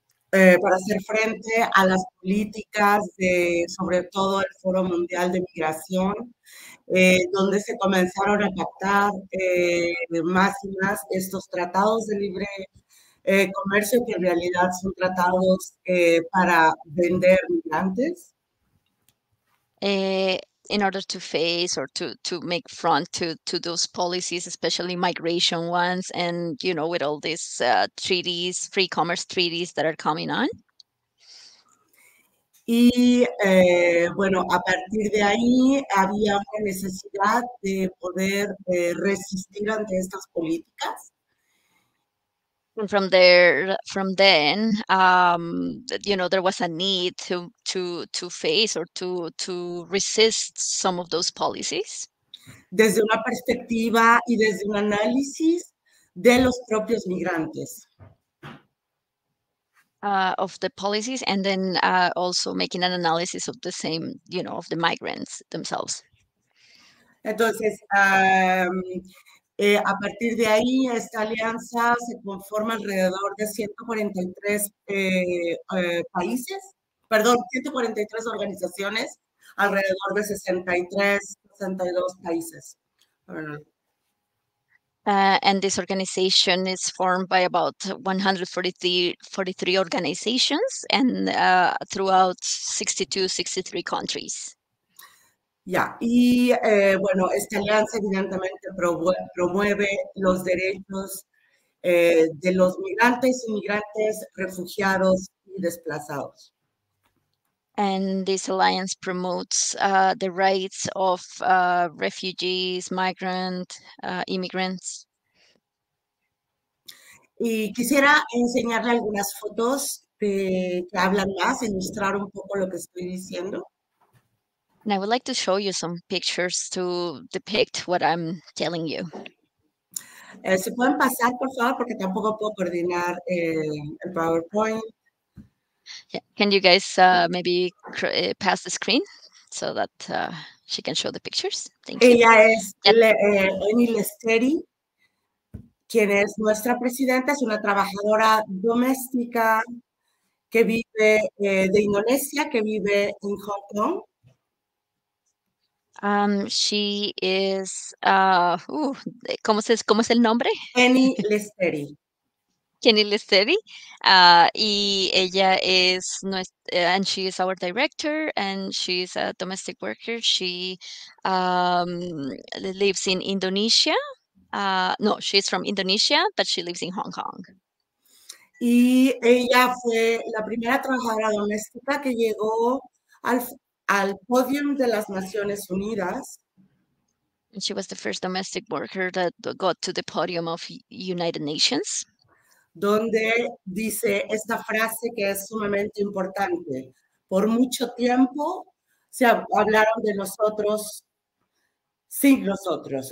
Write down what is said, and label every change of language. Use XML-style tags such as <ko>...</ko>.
<es>Para hacer frente a las políticas de, sobre todo, el Foro Mundial de Migración, donde se comenzaron a pactar más y más estos tratados de libre comercio que en realidad son tratados para vender migrantes.</es> <en>In order to face or to make front to those policies, especially migration ones, and you know, with all these treaties, free commerce treaties that are coming on.</en> <es>Y bueno, a partir de ahí había una necesidad de poder resistir ante estas políticas.</es> <en>And from there, from then, you know, there was a need to face or to resist some of those policies.</en> <es>Desde una perspectiva y desde un análisis de los propios migrantes.</es> <en>Of the policies and then also making an analysis of the same, you know, of the migrants themselves.</en> <es>Entonces, a partir de ahí, esta alianza se conforma alrededor de 143 países, perdón, 143 organizaciones, alrededor de 62 países.</es> <en>And this organization is formed by about 143 organizations and throughout 63 countries.</en> <es>Ya, y bueno, esta alianza evidentemente promueve los derechos de los migrantes, inmigrantes, refugiados y desplazados.</es> <en>And this alliance promotes the rights of refugees, migrants, immigrants.</en> <es>Y quisiera enseñarle algunas fotos que hablan más, ilustrar un poco lo que estoy diciendo.</es> <en>And I would like to show you some pictures to depict what I'm telling you.</en> <es>¿Se pueden pasar, por favor, porque tampoco puedo coordinar el PowerPoint?</es> <en>Yeah. Can you guys maybe pass the screen so that she can show the pictures? Thank</en> <es>Ella</es> <en>you. Es yep.</en> <es>Eni Lesteri, quien es nuestra presidenta, es una trabajadora doméstica que vive de Indonesia, que vive en Hong Kong.</es> <en>She is,</en> <es>¿cómo es el nombre? Kenny Lesteri.</es> <en>Kenny Lesteri,</en> <es>y ella es nuestra,</es> <en>and she is our director, and she's a domestic worker. She lives in Indonesia. No, she's from Indonesia, but she lives in Hong Kong.</en> <es>Y ella fue la primera trabajadora doméstica que llegó al podium de las Naciones Unidas.</es> <en>And she was the first domestic worker that got to the podium of United Nations.</en> <es>Donde dice esta frase que es sumamente importante. Por mucho tiempo se hablaron de nosotros sin nosotros.</es>